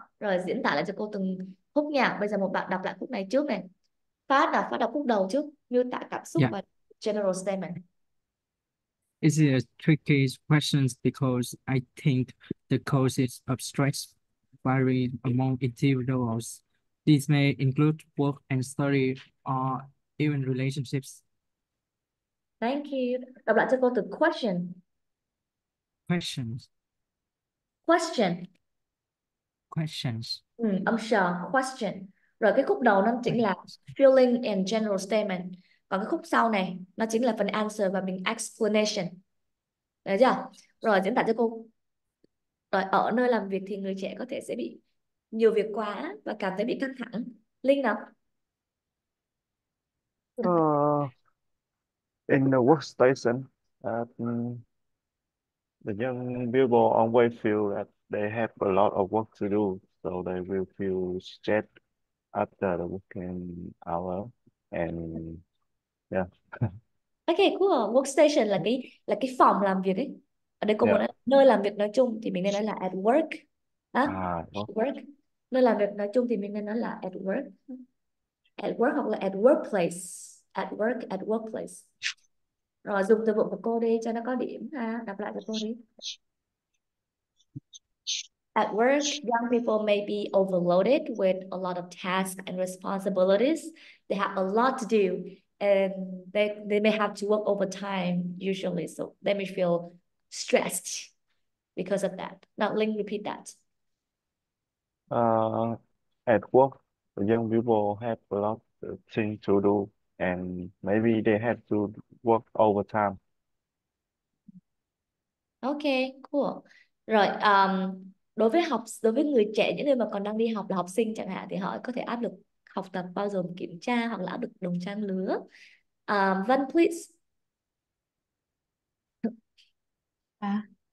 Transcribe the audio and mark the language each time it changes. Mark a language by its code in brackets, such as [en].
[vi] Rồi diễn tả lại cho cô từng khúc nha. Bây giờ một bạn đọc lại khúc này trước này. Phát đọc khúc đầu trước, miêu tả cảm xúc và general statement. [en] Is it a tricky question because I think the causes of stress vary among individuals. These may include work and study or even relationships. Thank you. [vi] Đọc lại cho cô từ question. [en] Questions. Question. Questions. [vi] Âm sờ, question. Rồi cái khúc đầu nó chính là feeling and general statement. Còn cái khúc sau này, nó chính là phần answer và mình explanation. Đấy chưa? Rồi diễn tả cho cô. Rồi ở nơi làm việc thì người trẻ có thể sẽ bị nhiều việc quá và cảm thấy bị căng thẳng. Linh nào? [en] In the workstation, the young people always feel that they have a lot of work to do, so they will feel stressed after the working hour. And yeah. Okay, cool. [vi] Workstation là cái phòng làm việc ấy. Ở đây có một nơi làm việc nói chung thì mình nên nói là at work. Work. Nơi làm việc nói chung thì mình nên nói là at work. [en] At work hoặc là at workplace. At work, at workplace. [vi] Rồi dùng từ vựng của cô đi cho nó có điểm ha. Đọc lại cho cô đi. [en] At work, young people may be overloaded with a lot of tasks and responsibilities. They have a lot to do and they may have to work overtime usually. So they may feel stressed because of that. Now Linh, repeat that. At work, young people have a lot of things to do and maybe they have to work overtime. Okay, cool. [vi] Rồi, đối với học đối với người trẻ, những người mà còn đang đi học là học sinh chẳng hạn, thì họ có thể áp lực học tập bao gồm kiểm tra hoặc là áp lực đồng trang lứa. [en] Vân, please. À.